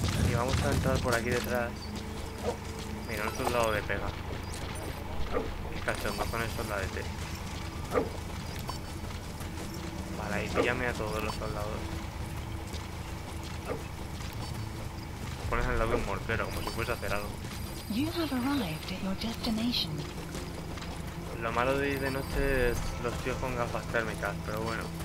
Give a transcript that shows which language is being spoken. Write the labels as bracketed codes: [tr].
[es] Y vamos a entrar por aquí detrás. Mira, un soldado de pega. Qué cachondo con el soldado de té. Vale, ahí píllame a todos los soldados. Me pones al lado de un mortero, como si fuese a hacer algo. [en] You have arrived at your destination. [es] Lo malo de ir de noche es los tíos con gafas térmicas, pero bueno.